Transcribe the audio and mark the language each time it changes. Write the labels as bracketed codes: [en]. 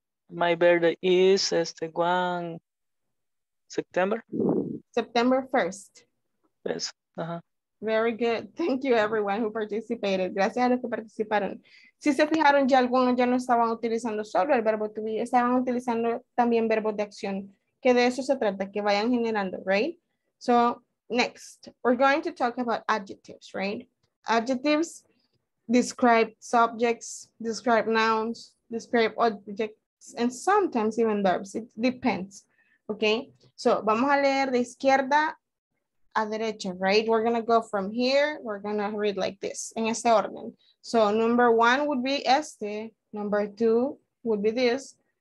[en] My birthday is este one September. September 1st. Yes. Uh-huh. Very good. Thank you everyone who participated. [es] Gracias a los que participaron. Si se fijaron, ya algunos ya no estaban utilizando solo el verbo to be, estaban utilizando también verbos de acción. Que de eso se trata, que vayan generando, right? [en] So, next, we're going to talk about adjectives, right? Adjectives describe subjects, describe nouns, describe objects, and sometimes even verbs. It depends, okay? [es] So, vamos a leer de izquierda a derecha, right? [en] We're gonna go from here, we're gonna read like this, [es] en este orden. [en] So, number one would be este, number two would be this.